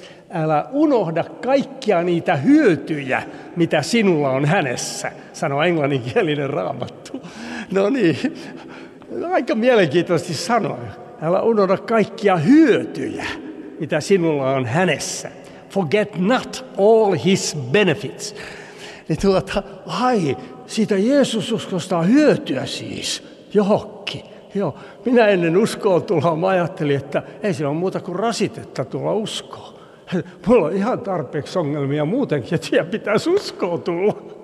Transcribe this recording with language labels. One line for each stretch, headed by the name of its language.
Finnish: Älä unohda kaikkia niitä hyötyjä, mitä sinulla on hänessä, sanoo englanninkielinen Raamattu. No niin, aika mielenkiintoisesti sanoo. Älä unohda kaikkia hyötyjä, mitä sinulla on hänessä.
English: Forget not all his benefits.
Finnish: Niin ai, siitä Jeesus uskosta on hyötyä siis. Johokki. Joo, minä ennen uskoon tulla, mä ajattelin, että ei siinä ole muuta kuin rasitetta tulla uskoon. Mulla on ihan tarpeeksi ongelmia muutenkin, että siellä pitäisi uskoon tulla.